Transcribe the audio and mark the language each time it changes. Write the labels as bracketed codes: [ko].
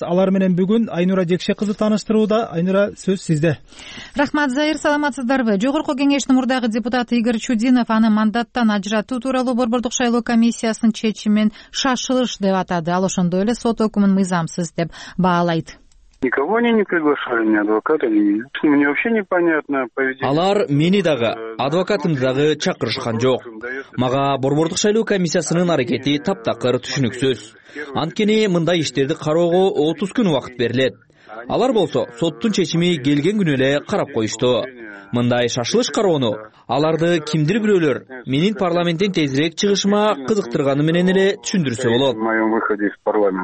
[ky] Алар менен бүгүн Айнура Жекше кызы тааныштырууда. Айнура, сөз сизде. Рахмат Зайыр, саламатсыздарбы. Жогорку кеңештин мурдагы депутаты Игорь Чудинов аны мандаттан ажыратуу тууралуу борбордук шайлоо комиссиясынын чечимин шашылыш деп атады. Ал ошондой эле сот өкүмүн мыйзамсыз деп баалайт. [ru] Никого они не приглашали, ни адвоката, ни... Мне вообще непонятно поведение... [ky] Алар мени дагы, адвокатымды дагы чакырышкан жок. Мага борбордук шайлоо комиссиясынын аракети таптакыр түшүнүксүз. Анткени мындай иштерди кароого 30 күн убакыт берилет. Алар болсо, соттун чечими келген күнү эле карап коюшту. Мындай шашылыш кароону аларды кимдир бирөөлөр менин парламенттен тезирээк чыгышыма кызыктырганы менен эле түшүндүрсө болот.